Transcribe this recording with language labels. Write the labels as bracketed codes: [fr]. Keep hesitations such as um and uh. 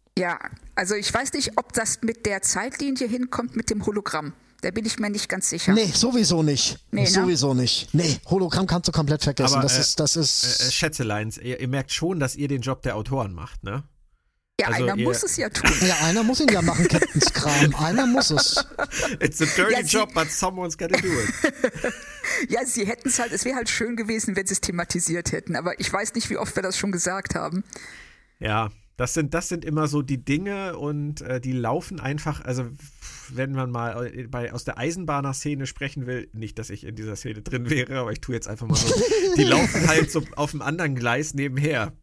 [de] Ja, also ich weiß nicht, ob das mit der Zeitlinie hinkommt mit dem Hologramm. Da bin ich mir nicht ganz sicher. Nee, sowieso nicht. Nee, ne? sowieso nicht. Nee, Hologramm kannst du komplett vergessen. Aber, das äh, ist, das ist. Äh, äh, Schätzeleins, ihr, ihr merkt schon, dass ihr den Job der Autoren macht, ne? ja, also einer ihr- muss es ja tun. ja, einer muss ihn ja machen, Captain's Kram. Einer muss es. [en] It's a dirty [de] Ja, sie- [en] job, but someone's gotta do it. [de] Ja, sie hätten es halt, es wäre halt schön gewesen, wenn sie es thematisiert hätten, aber ich weiß nicht, wie oft wir das schon gesagt haben. ja, das sind, das sind immer so die Dinge und äh, die laufen einfach, also wenn man mal äh, bei, aus der Eisenbahner-Szene sprechen will, nicht, dass ich in dieser Szene drin wäre, aber ich tue jetzt einfach mal so, die laufen halt so auf dem anderen Gleis nebenher.